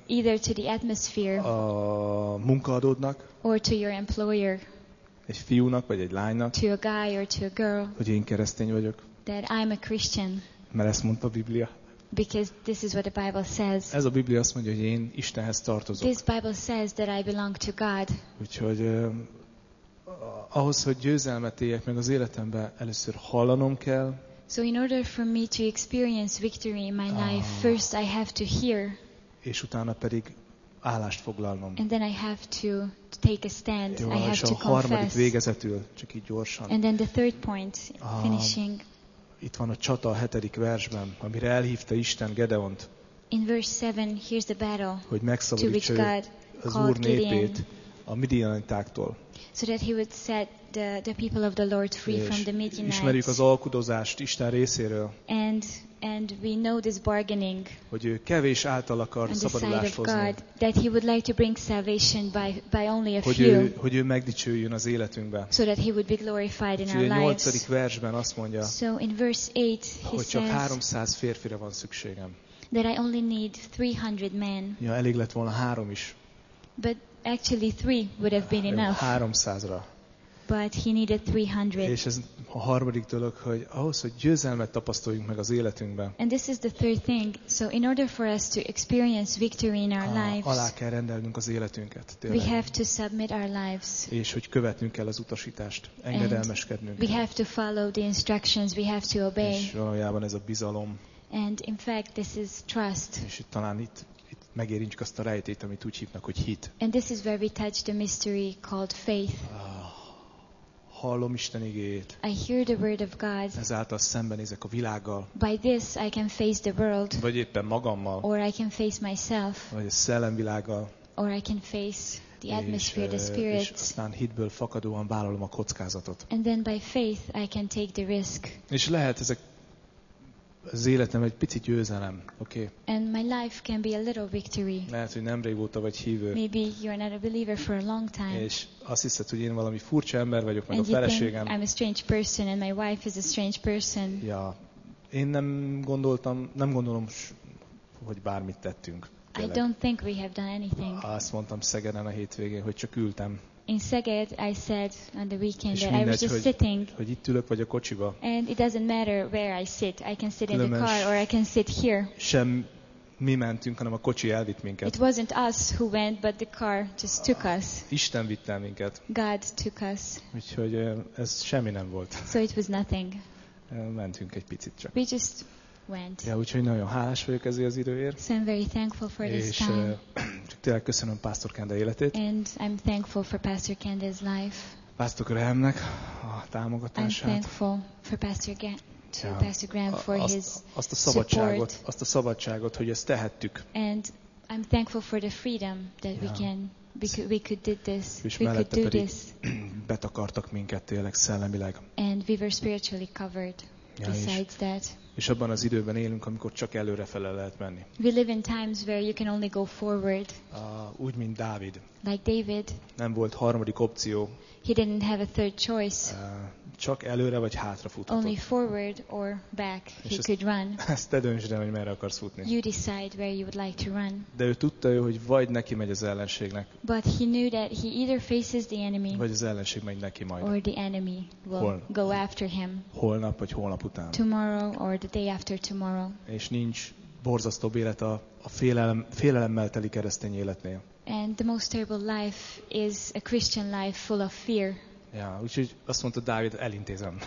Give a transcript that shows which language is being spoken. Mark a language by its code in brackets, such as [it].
[en] Either to the atmosphere. [hu] A munkaadódnak. [en] Or to your employer. [hu] Egy fiúnak vagy egy lánynak, [en] to a guy or to a girl, [hu] hogy én keresztény vagyok, [en] that I'm a Christian, [hu] mert ezt mondta a Biblia. [en] Because this is what the Bible says. [hu] Ez a Biblia azt mondja, hogy én Istenhez tartozok. [en] This Bible says that I belong to God. [hu] Úgyhogy ahhoz, hogy győzelmet éljek meg az életemben, először hallanom kell. [en] So in order for me to experience victory in my life, first I have to hear. [hu] És utána pedig állást foglalnom. [en] And then I have to take a stand. [hu] Jó, [en] I have to confess. [hu] És a harmadik végezetül, csak így gyorsan. [en] And then the third point, finishing. [hu] Itt van a csata a 7. versben, amire elhívta Isten Gedeont. [en] In verse 7, here's the battle. [hu] Hogy megszabadítsa az Úr népét a midianitáktól. [en] So that he would set the people of the Lord free [hu] és [en] from the Midianites. [hu] Ismerjük az alkudozást Isten részéről. [en] And we know this bargaining. [hu] Hogy ő kevés által akar szabadulást hozni. [en] God, that he would like to bring salvation by only a few. [hu] Hogy ő megdicsőjön az életünkbe. [en] So that he would be glorified in our lives. [hu] 8. versben azt mondja. [en] So in verse 8 he [hu] hogy csak 300 férfire van szükségem. [en] That I only need 300 men. [hu] Ja, elég lett volna 3 is. [en] But actually 3 would have been enough. [hu] 300-ra. [en] but he needed 300. [hu] És ez a harmadik dolog, hogy ahhoz, hogy győzelmet tapasztaljunk meg az életünkben. [en] And this is the third thing. So in order for us to experience victory in our lives, [hu] alá kell rendelnünk az életünket. Tőle. [en] We have to submit our lives. [hu] És hogy követnünk kell az utasítást, engedelmeskednünk. [en] And we have to follow the instructions. We have to obey. [hu] És valójában ez a bizalom. [en] And in fact, this is trust. [hu] És talán itt. Megérintjük azt a rejtét, amit úgy hívnak, hogy hit. [en] And this is where we touch the mystery called faith. [hu] Hallom Isten igéjét. [en] I hear the word of God. [hu] Ezáltal szembenézek a világgal. [en] By this I can face the world. [hu] Vagy éppen magammal. [en] Or I can face myself. [hu] Vagy a szellemvilággal. [en] Or I can face the atmosphere, the spirit. [hu] És aztán hitből fakadóan vállalom a kockázatot. [en] And then by faith I can take the risk. [hu] És lehet ezek az életem egy pici győzelem, oké? [en] Okay. And my life can be a little victory. [hu] Lehet, hogy nem régóta vagy hívő. [en] Maybe you're not a believer for a long time. [hu] És azt hiszed, hogy én valami furcsa ember vagyok, meg [en] and [hu] a feleségem. [en] I'm a strange person and my wife is a strange person. [hu] Ja, én nem gondolom, hogy bármit tettünk. [en] I don't think we have done anything. [hu] Azt mondtam Szegeden a hétvégén, hogy csak ültem. [en] In Szeged, I said on the weekend [hu] és [en] that [hu] mindegy, [en] I was just [hu] hogy, [en] sitting. [hu] Hogy itt ülök vagy a kocsiba. [en] And it doesn't matter where I sit. I can sit [hu] különben [en] in the car or I can sit here. [hu] Sem mi mentünk, hanem a kocsi elvitt minket. [en] It wasn't us who went, but the car just took us. [hu] Isten vitt el minket. [en] God took us. [hu] Úgyhogy ez semmi nem volt. [en] So it was nothing. [hu] Mentünk egy picit csak. [en] We just went. [hu] Ja, úgyhogy nagyon hálás vagyok ezért az időért. [en] So I'm very thankful for this [hu] és, [en] time. [hu] Tényleg köszönöm Pásztor Kenda életét. [en] And I'm thankful for Pastor Kenda's life. [hu] Pásztor Grahamnek a támogatását. [en] I'm thankful for Pastor Graham for his support. [hu] Azt a szabadságot, hogy ezt tehettük. [en] And I'm thankful for the freedom that we can we could did this. [hu] És [en] we could do this. [hu] Betakartak minket tényleg szellemileg. [en] And we were spiritually covered. Besides that. [hu] És abban az időben élünk, amikor csak előrefele lehet menni. [en] We live in times where you can only go forward. [hu] Úgy mint Dávid. [en] Like David. [hu] Nem volt harmadik opció. [en] He didn't have a third choice. [hu] Csak előre vagy hátra futhatott. [en] Only forward or back. [hu] És [en] he could run. [hu] Ezt te döntsd el, hogy merre akarsz futni. [en] You decide where you would like to run. [hu] De ő tudta, hogy vagy neki megy az ellenségnek. [en] But he knew that he either faces the enemy. [hu] Vagy az ellenség megy neki majd. [en] Or the enemy will go after him. [hu] Holnap vagy holnap után. [en] Tomorrow or the day after tomorrow. [hu] És nincs borzasztóbb élet a félelemmel teli keresztény életnél. [en] And the most terrible life is a Christian life full of fear. [hu] Ja, úgyhogy azt mondta Dávid, elintézem.